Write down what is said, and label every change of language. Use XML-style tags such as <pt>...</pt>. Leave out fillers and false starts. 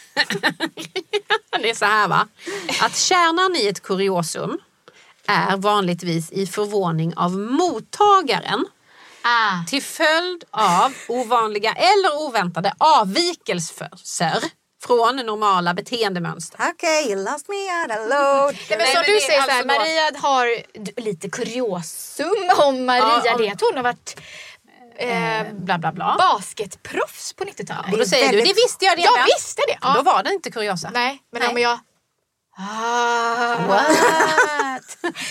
<sv>Okay. Det är så här, va? Att kärnan i ett kuriosum är vanligtvis i förvåning av mottagaren. Ah. Till följd av ovanliga eller oväntade avvikelser. Från normala beteendemönster. Okej,</sv> <en>okay, you lost me at a load.</en> <sv>Nej, men som du säger alltså så här, Maria har lite kuriosum om Maria. Ja, det hon har varit bla bla bla. Basketproffs på 90-talet. Och då säger väldigt... du, det visste jag redan. Jag visste det. Ja. Då var det inte kuriosa. Nej, men nej. Om jag... Ah,</sv> <en>what?</en>